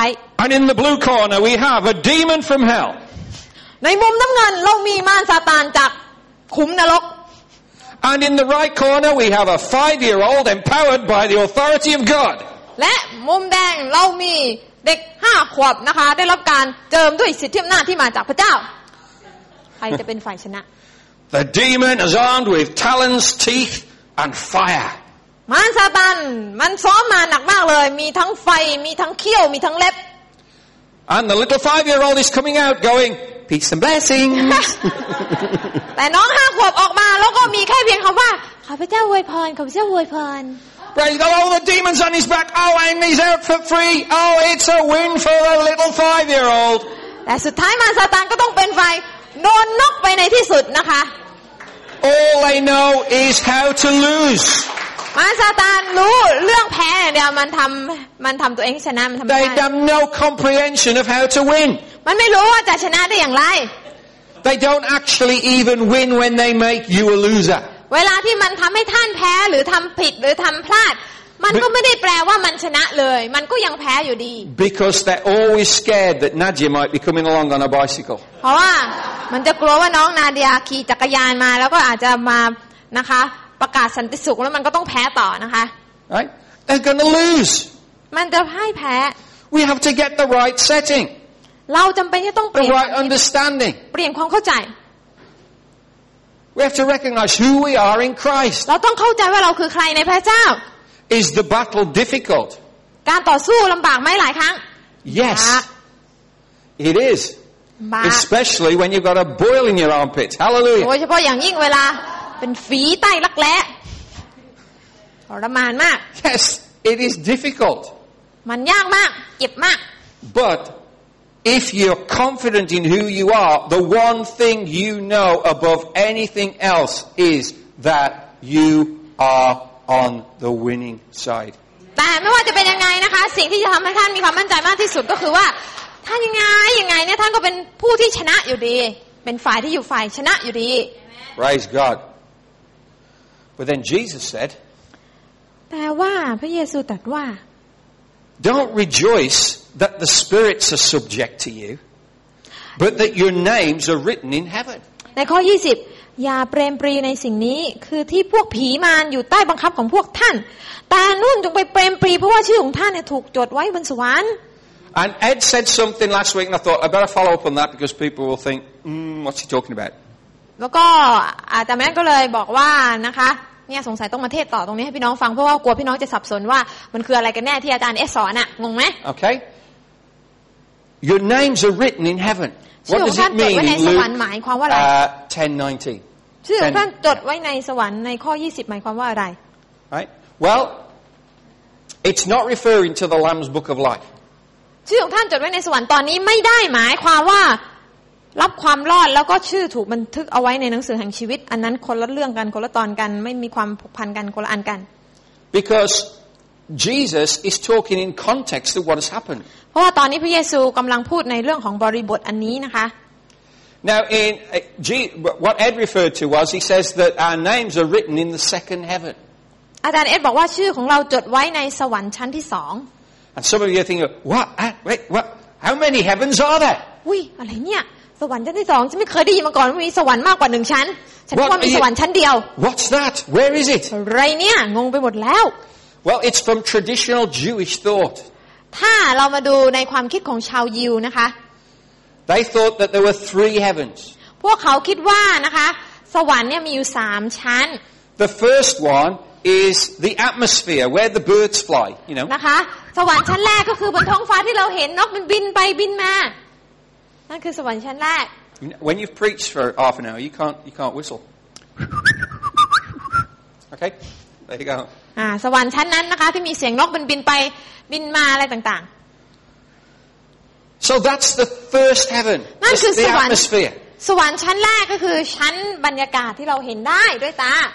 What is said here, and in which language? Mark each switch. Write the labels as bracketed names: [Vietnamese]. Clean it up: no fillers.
[English] And in the blue corner we have a demon from hell [Thai] ในมุมน้ำเงินเรามีมารซาตานจากขุมนรก [English] And in the right corner, we have a five-year-old empowered by the authority of God. [Thai] และมุมแดงเรามีเด็ก5ขวบนะคะได้รับการเจิมด้วยสิทธิอำนาจที่มาจากพระเจ้าใครจะเป็นฝ่ายชนะ [English] The demon is armed with talons, teeth, and fire. [Thai] มารซาตานมันซ้อมมาหนักมากเลยมีทั้งไฟมีทั้งเขี้ยวมีทั้งเล็บ [English] And the little five-year-old is coming out going,Peace and blessings. [Thai] แต่น้องห้าขวบออกมาแล้วก็มีแค่เพียงคำว่าขอพระเจ้าอวยพรขอพระเจ้าอวยพร [English] Praise God! All the demons on his back. Oh, and he's out for free. Oh, it's a win for the little five-year-old. [Thai] แต่สุดท้ายมารซาตานก็ต้องเป็นไฟโดนนกไปในที่สุดนะคะ [English] All I know is how to lose. [Thai] มารซาตานรู้เรื่องแพ้เดียวมันทำตัวเองชนะมันทำได้ [English] They have no comprehension of how to win. [Thai] มันไม่รู้ว่าจะชนะได้อย่างไร [English] They don't actually even win when they make you a loser [Thai] เวลาที่มันทำให้ท่านแพ้หรือทำผิดหรือทำพลาดมันก็ไม่ได้แปลว่ามันชนะเลยมันก็ยังแพ้อยู่ดี [English] Because they're always scared that Nadia might be coming along on a bicycle [Thai] เพราะว่ามันจะกลัวว่าน้องนาเดียขี่จักรยานมาแล้วก็อาจจะมานะคะประกาศสันติสุขแล้วมันก็ต้องแพ้ต่อนะคะ [English] Right They're gonna lose [Thai] มันจะพ่ายแพ้ [English] We have to get the right setting [Thai] เราจำเป็นที่ต้องเปลี่ย นเปลี่ยนความเข้าใจ [English] We have to recognize who we are in Christ [Thai] เราต้องเข้าใจว่าเราคือใครในพระเจ้า [English] Is the battle difficult [Thai] การต่อสู้ลำบากไหมหลายครั้ง [English] Yes it is especially when you've got a boil in your armpit Hallelujah [Thai] โดยเฉพาะอย่างยิ่งเวลา ป็นฝีใต้รักแร้ทรมานมาก [English] Yes it is difficult [Thai] มันยากมากเจ็บมาก [English] butIf you're confident in who you are, the one thing you know above anything else is that you are on the winning side. [Thai] แต่ไม่ว่าจะเป็นยังไงนะคะสิ่งที่จะทำให้ท่านมีความมั่นใจมากที่สุดก็คือว่าท่านยังไงเนี่ยท่านก็เป็นผู้ที่ชนะอยู่ดีเป็นฝ่ายที่อยู่ฝ่ายชนะอยู่ดี [English] Praise God. But then Jesus said. [Thai] แต่ว่าพระเยซูตรัสว่า [English] Don't rejoice that the spirits are subject to you, but that your names are written in heaven. [Thai] ในข้อ20อย่าเปรมปรีในสิ่งนี้คือที่พวกผีมารอยู่ใต้บังคับของพวกท่านแต่นู่นจงไปเปรมปรีเพราะว่าชื่อของท่านเนี่ยถูกจดไว้บนสวรรค์ [English] And Ed said something last week, and I thought I better follow up on that because people will think, what's he talking about? [Thai] แล้วก็แต่แม่ก็เลยบอกว่านะคะเนี่ยสงสัยต้องมาเทศต่อตรงนี้ให้พี่น้องฟังเพราะว่ากลัวพี่น้องจะสับสนว่ามันคืออะไรกันแน่ที่อาจารย์เอสสอนอะงงไหม [English] โอเค Your names are written in heaven What does it mean in Luke 10:19 [Thai] ชื่อของท่านจดไว้ในสวรรค์ในข้อ20หมายความว่าอะไร [English] Right Well it's not referring to the Lamb's Book of Life [Thai] ชื่อของท่านจดไว้ในสวรรค์ตอนนี้ไม่ได้หมายความว่ารับความรอดแล้วก็ชื่อถูกบันทึกเอาไว้ในหนังสือแห่งชีวิตอันนั้นคนละเรื่องกันคนละตอนกันไม่มีความผูกพันกันคนละอันกัน [English] Because Jesus is talking in context of what has happened [Thai] เพราะว่าตอนนี้พระเยซูกำลังพูดในเรื่องของบริบทอันนี้นะคะ [English] Now in what Ed referred to was he says that our names are written in the second heaven [Thai] อาจารย์เอ็ดบอกว่าชื่อของเราจดไว้ในสวรรค์ชั้นที่สอง [English] And some of you are thinking what how many heavens are there [Thai] วุ้ยอะไรเนี่ยสวรรค์ชั้นที่สองฉันไม่เคยได้ยินมาก่อนว่ามีสวรรค์มากกว่าหนึ่งชั้นฉันคิดว่ามีสวรรค์ชั้นเดียว [English] What's that? Where is it? [Thai] ไรเนี่ยงงไปหมดแล้ว [English] Well, it's from traditional Jewish thought. [Thai] ถ้าเรามาดูในความคิดของชาวยิวนะคะ [English] They thought that there were three heavens. [Thai] พวกเขาคิดว่านะคะสวรรค์เนี่ยมีอยู่สามชั้น [English] The first one is the atmosphere where the birds fly. You know. [Thai] นะคะสวรรค์ชั้นแรกก็คือบนท้องฟ้าที่เราเห็นนกมันบินไปบินมานั่นคือสวรรค์ชั้นแรก [English] When you've preached for half an hour, you can't whistle. Okay, there you go. [Thai] สวรรค์ชั้นนั้นนะคะที่มีเสียงนกบินไปบินมาอะไรต่าง [English] ๆ So that's the first heaven. [Thai] นั่นคือสวรรค์ [English] atmosphere. [Thai] สวรรค์ชั้นแรกก็คือชั้นบรรยากาศที่เราเห็นได้ด้วยตา